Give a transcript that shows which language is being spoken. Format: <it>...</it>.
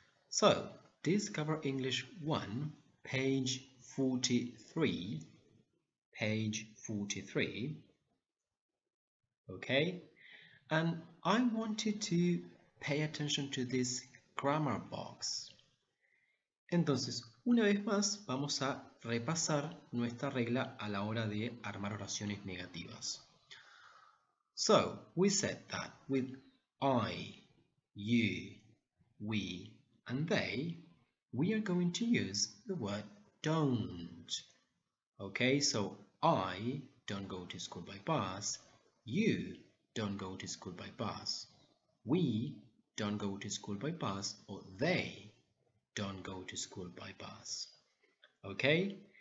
<en>So, Discover English 1, page 43. Page 43. Okay, and I want you to pay attention to this grammar box.</en> <es>Entonces, una vez más, vamos a repasar nuestra regla a la hora de armar oraciones negativas.</es> <en>So, we said that with I, you, we, and they, we are going to use the word don't. Okay, so I don't go to school by bus, you don't go to school by bus, we don't go to school by bus, or they don't go to school by bus. Okay?</en>